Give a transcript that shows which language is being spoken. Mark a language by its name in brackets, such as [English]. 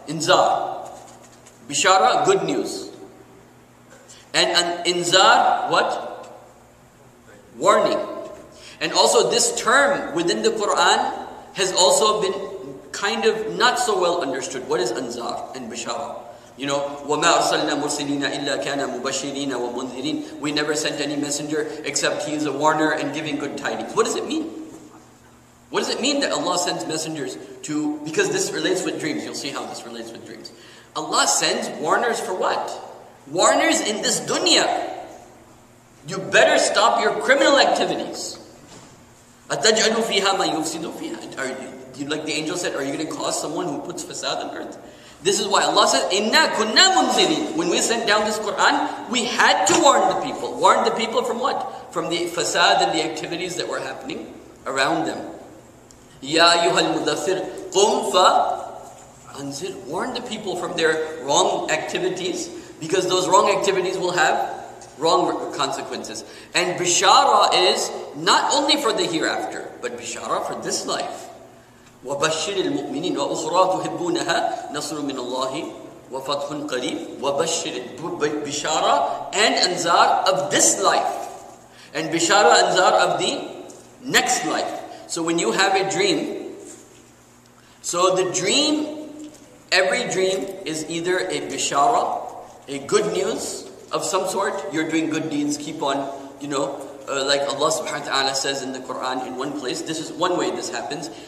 [English] Inzar. Bishara, good news. And an inzar, what? Warning. And also this term within the Quran has also been kind of not so well understood. What is anzar and bishara? [Arabic] You know, وَمَا أَرْسَلْنَا مُرْسِلِينَ إِلَّا كَانَ مُبَشِّرِينَ وَمُنْذِرِينَ. [English] We never sent any messenger except he is a warner and giving good tidings. What does it mean? What does it mean that Allah sends messengers to... Because this relates with dreams. You'll see how this relates with dreams. Allah sends warners for what? Warners in this dunya. You better stop your criminal activities. [Arabic] أَتَجْعَلُ فِيهَا مَا يُفْسِدُ فِيهَا. [English] Like the angel said, are you going to cause someone who puts fasad on earth? This is why Allah says, [Arabic] "Inna kunna munziri." [English] When we sent down this Quran, we had to warn the people. Warn the people from what? From the fasad and the activities that were happening around them. [Arabic] Ya ayyuhal mudaththir, qum fa anzir. [English] Warn the people from their wrong activities, because those wrong activities will have wrong consequences. And bishara is not only for the hereafter, but bishara for this life. [Arabic] وَبَشِّرِ الْمُؤْمِنِينَ وَأُخْرَى تُحِبُّونَهَا نَصْرٌ مِّنَ اللَّهِ وَفَتْحٌ قَرِيبٌ وَبَشِّرِ بِشَارَ [English] and anzar of this life. And bishara anzar of the next life. So when you have a dream, so the dream, every dream is either a bishara, a good news of some sort. You're doing good deeds, keep on, you know, like Allah subhanahu wa ta'ala says in the Quran in one place, this is one way this happens.